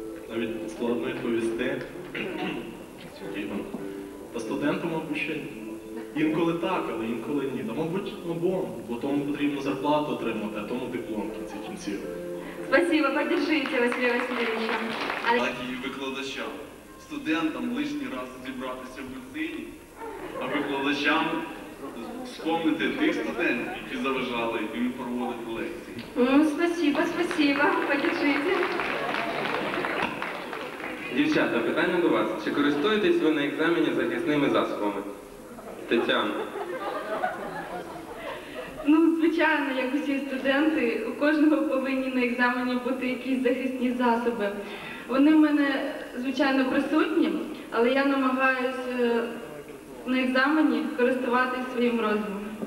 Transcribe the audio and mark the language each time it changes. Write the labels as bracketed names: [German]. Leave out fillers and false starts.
[Ukrainian] Навіть складно відповісти. Та студентам, мабуть, ще інколи так, але інколи ні. Та, мабуть, обом, бо тому потрібно зарплату отримати, а тому диплом в кінці кінців. [Russian] Спасибо, поддержите, Василь Васильович. [Ukrainian] Так і викладачам. Студентам лишній раз зібратися в бюлетені, а викладачам вспомнити тих студентів, які заважали їм проводити лекції. [Russian] Спасибо, спасибо, поддержите. [Ukrainian] Дівчата, питання до вас. Чи користуєтесь ви на екзамені захисними засобами? Тетяна. Ну, звичайно, як усі студенти, у кожного повинні на екзамені бути якісь захисні засоби. Вони в мене, звичайно, присутні, але я намагаюся на екзамені користуватись своїм розумом.